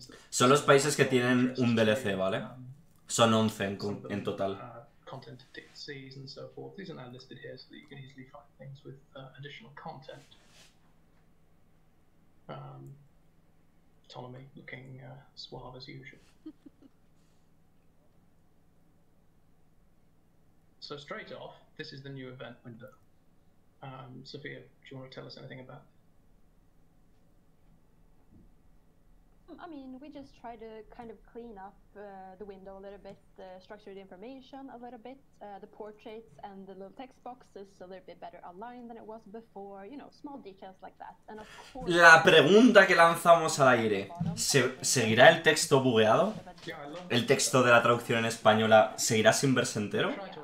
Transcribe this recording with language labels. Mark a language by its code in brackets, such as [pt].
[es] Son los países que tienen un DLC, ¿vale? Son 11 en total. [en] content of DLCs and so forth. These are now listed here so that you can easily find things with additional content. Ptolemy looking suave as usual. So straight off, this is the new event window. Sophia, do you want to tell us anything about this? I mean, we just try to kind of clean up the window a little bit, the structured information a little bit, the portraits and the little text boxes a little bit better aligned than it was before, you know, small details like that. And of course, [es] la pregunta que lanzamos al aire, ¿seguirá el texto bugueado? ¿El texto de la traducción en española seguirá sin verse entero?